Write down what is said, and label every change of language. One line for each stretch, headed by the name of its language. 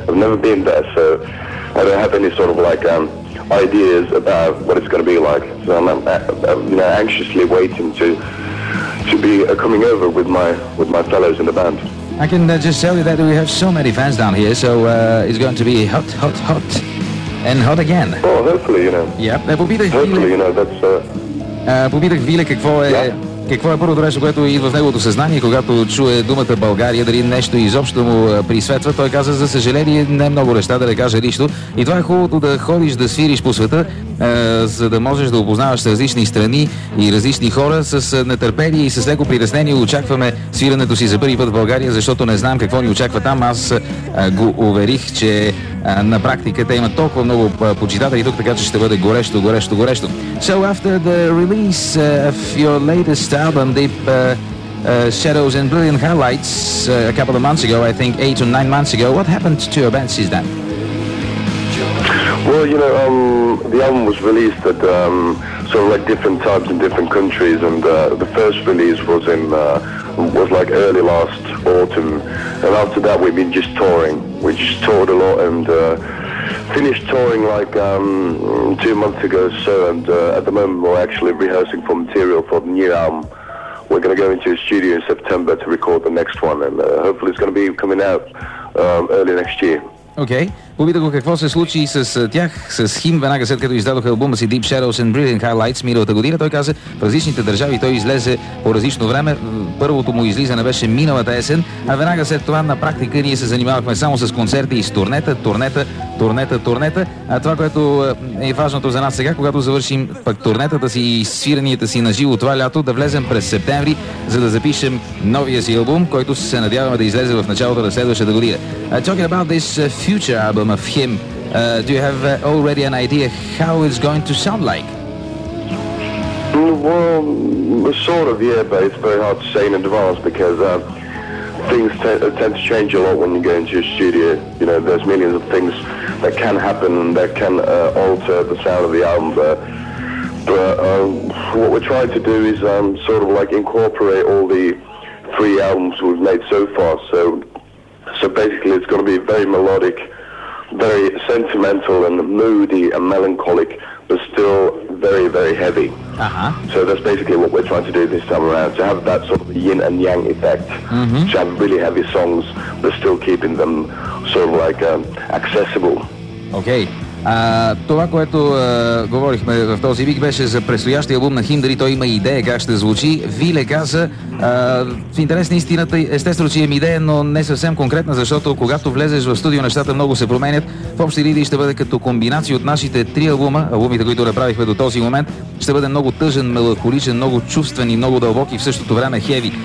English: I've never been there, so I don't have any sort of like ideas about what it's going to be like. So I'm anxiously waiting to be coming over with my fellows in the band. I can just tell you that we have so many fans down here, so it's going to be hot. And hot again. Oh, hopefully, you know. Yep, that will be the hopefully, Виле... you know, that's...
Bulgarian: Попитах Виле какво е първото нещо, което идва в неговото съзнание, когато чуе думата България, дали нещо изобщо му присветва. Той каза, за съжаление, не много неща, да не кажа нищо. И това е хубавото, да ходиш да свириш по света, за да можеш да опознаваш различни страни и различни хора. С нетърпение и с леко притеснение очакваме свирането си за първи път в България, защото не знам какво ни очаква там. Аз го уверих, че на практика те имат толкова много почитатели тук, така че ще бъде горещо, горещо, горещо.
English: So after the release of your latest album, Deep Shadows and Brilliant Highlights, a couple of months ago, I think 8 or 9 months ago, what happened to your band since then? Well, you know, the album was released at sort of like different times in different countries, and the first release was in was like early last autumn, and after that we've been just touring. We just toured a lot and finished touring like 2 months ago or so, and at the moment we're actually rehearsing for material for the new album. We're going to go into a studio in September to record the next one, and hopefully it's going to be coming out early next year. Okay.
Bulgarian: Попитах го какво се случи с тях, с Хим, веднага след като издадоха албума си Deep Shadows and Brilliant Highlights миналата година. Той каза, в различните държави той излезе по различно време. Първото му излизане беше миналата есен, а веднага след това на практика ние се занимавахме само с концерти и с турнета. А това, което е важното за нас сега, когато завършим пък турнетата си и свиранията си на живо това лято, да влезем през септември, за да запишем новия си албум, който се надяваме да излезе в началото на следващата година.
English: Talking about this future album of him, do you have already an idea how it's going to sound like? Well, sort of, yeah, but it's very hard to say in advance because things tend to change a lot when you go into a studio. You know, there's millions of things that can happen that can alter the sound of the album. But what we're trying to do is sort of like incorporate all the 3 albums we've made so far. So basically it's going to be very melodic, very sentimental and moody and melancholic, but still very, very heavy. Uh-huh. So that's basically what we're trying to do this time around, to have that sort of yin and yang effect, mm-hmm. to have really heavy songs, but still keeping them sort of like accessible. Okay.
Bulgarian: Това, което говорихме в този вик, беше за предстоящия албум на Хим, дали той има идея как ще звучи. Виле каза, в интерес на истината, естествено, че има идея, но не съвсем конкретна, защото когато влезеш в студио, нещата много се променят. В общи линии ще бъде като комбинация от нашите 3 албума, албумите, които направихме до този момент, ще бъде много тъжен, меланхоличен, много чувствен и много дълбок и в същото време хеви.